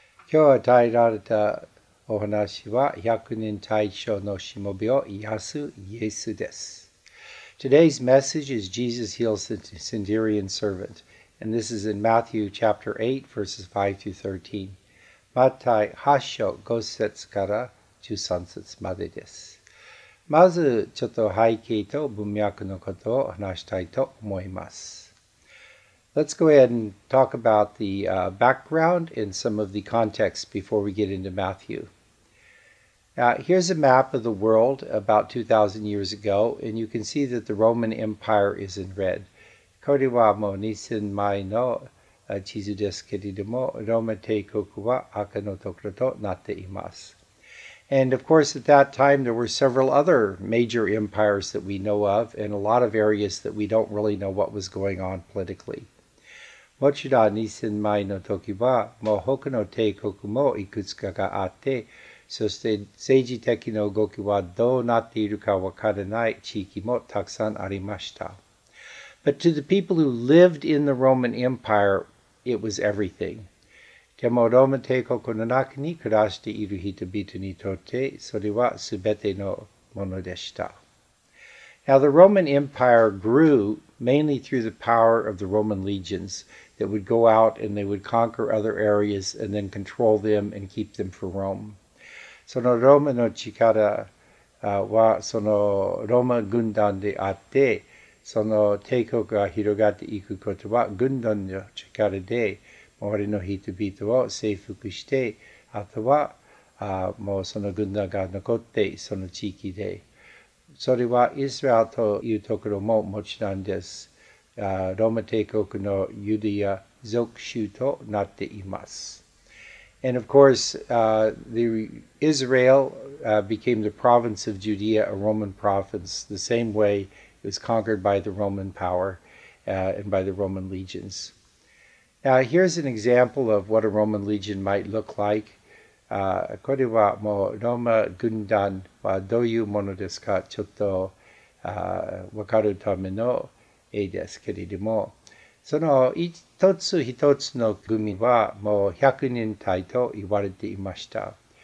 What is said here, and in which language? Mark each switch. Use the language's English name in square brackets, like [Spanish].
[Japanese] 今日与えられたお話は、百人隊長のしもべを癒すイエスです。 [English] Today's message is Jesus heals the Centurion servant, and this is in Matthew chapter 8, verses 5 to 13. [Japanese] Matthew 8 章5節から13節までです。まず、ちょっと背景と文脈のことを話したいと思います。 [English] Let's go ahead and talk about the background and some of the context before we get into Matthew. Now, here's a map of the world about 2,000 years ago, and you can see that the Roman Empire is in red. [Japanese] これはもう2000前の地図ですけれども、ローマ帝国は赤のところとなっています。 [English] And of course, at that time, there were several other major empires that we know of, and a lot of areas that we don't really know what was going on politically. [Japanese] もちろん2000前の時は、もう他の帝国もいくつかがあって、そして政治的な動きはどうなっているかわからない地域もたくさんありました。 [English] But to the people who lived in the Roman Empire, it was everything. [Japanese] でもローマ帝国の中に暮らしている人々にとって、それはすべてのものでした。 [English] Now the Roman Empire grew mainly through the power of the Roman legions that would go out and they would conquer other areas and then control them and keep them for Rome. [Japanese] そのローマの力はそのローマ軍団であって、その帝国が広がっていくことは軍団の力で周りの人々を征服して、あとはもうその軍団が残ってその地域で。それはイスラエルというところももちろんです。ローマ帝国のユダヤ族州となっています。 [English] And of course, Israel became the province of Judea, a Roman province, the same way it was conquered by the Roman power and by the Roman legions. Now, here's an example of what a Roman legion might look like. [Japanese] これはもうローマ軍団はどういうものですか、ちょっと分かるための絵ですけれども、その一つ一つの組はもう100人隊と言われていました。